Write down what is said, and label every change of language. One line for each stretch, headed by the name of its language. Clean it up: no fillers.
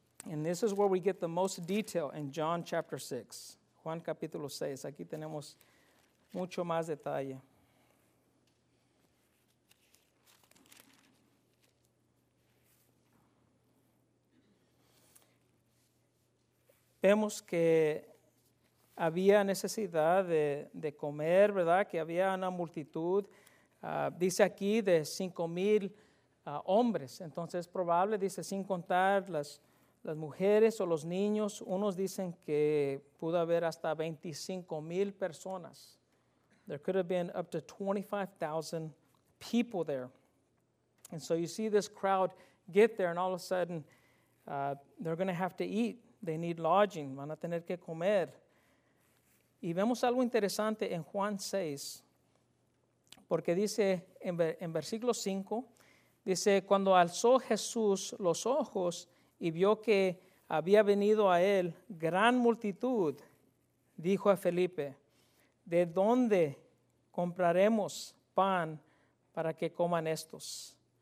English: And this is where we get the most detail in John chapter 6.
Spanish: Juan capítulo 6, aquí tenemos mucho más detalle. Vemos que había necesidad de comer, ¿verdad? Que había una multitud, dice aquí, de 5,000 hombres. Entonces, es probable, dice, sin contar las mujeres o los niños, unos dicen que pudo haber hasta 25,000 personas.
English: There could have been up to 25,000 people there. And so you see this crowd get there, and all of a sudden, they're going to have to eat. They need lodging,
Spanish: van a tener que comer. Y vemos algo interesante en Juan 6, porque dice en versículo 5, dice, cuando alzó Jesús los ojos y vio que había venido a él gran multitud, dijo a Felipe, ¿de dónde compraremos pan para que coman estos?